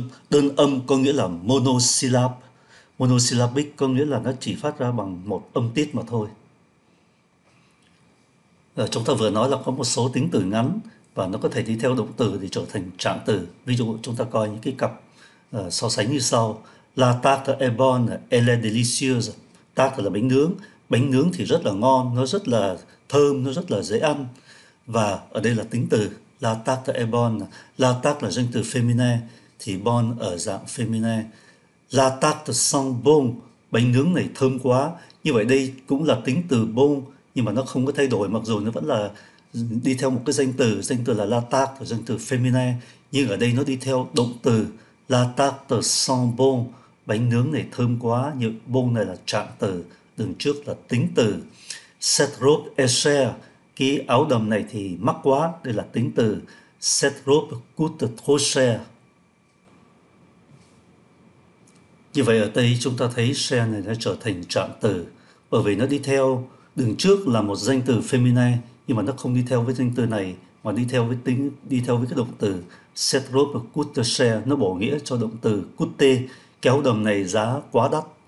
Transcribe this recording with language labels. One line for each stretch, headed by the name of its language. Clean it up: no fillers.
Vietnamese: Đơn âm có nghĩa là monosyllab. Monosyllabic có nghĩa là nó chỉ phát ra bằng một âm tiết mà thôi. Chúng ta vừa nói là có một số tính từ ngắn và nó có thể đi theo động từ để trở thành trạng từ. Ví dụ chúng ta coi những cái cặp so sánh như sau.
French: La tarte est bonne, elle est délicieuse.
Vietnamese: Tarte là bánh nướng. Bánh nướng thì rất là ngon, nó rất là thơm, nó rất là dễ ăn. Và ở đây là tính từ.
French: La tarte est bonne.
Vietnamese: La tarte là danh từ féminin, thì bon ở dạng féminin.
French: La tarte sent bon.
Vietnamese: Bánh nướng này thơm quá. Như vậy đây cũng là tính từ bon, nhưng mà nó không có thay đổi, mặc dù nó vẫn là đi theo một cái danh từ là la tarte, danh từ féminin, nhưng ở đây nó đi theo động từ
French: la tarte sent bon,
Vietnamese: bánh nướng này thơm quá, như bon này là trạng từ, đằng trước là tính từ.
French: Cette robe est chère,
Vietnamese: cái áo đầm này thì mắc quá, đây là tính từ.
French: Cette robe coûte trop chère.
Vietnamese: Như vậy ở đây chúng ta thấy chère này nó trở thành trạng từ, bởi vì nó đi theo đằng trước là một danh từ feminine, nhưng mà nó không đi theo với danh từ này mà đi theo với tính, đi theo với cái động từ.
French: Cette robe coûte cher,
Vietnamese: nó bổ nghĩa cho động từ coûter, kéo đầm này giá quá đắt.